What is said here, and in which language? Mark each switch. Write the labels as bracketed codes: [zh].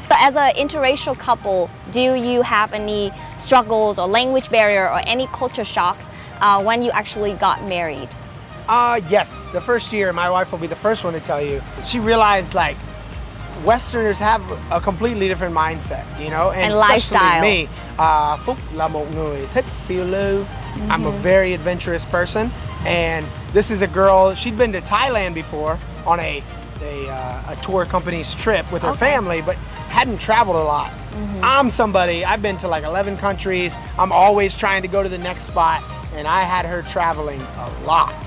[en] So as an interracial couple, do you have any struggles or language barrier or any culture shocks when you actually got married? Yes. The first year, my wife will be the first one to tell you, she realized, like, Westerners have a completely different mindset, you know, and lifestyle. [vi] Me, Phuc là một người thích phiêu lưu. [en] I'm a very adventurous person, and this is a girl. She'd been to Thailand before on a tour company's trip with her family, but hadn't traveled a lot. I'm somebody. I've been to like 11 countries. I'm always trying to go to the next spot, and I had her traveling a lot.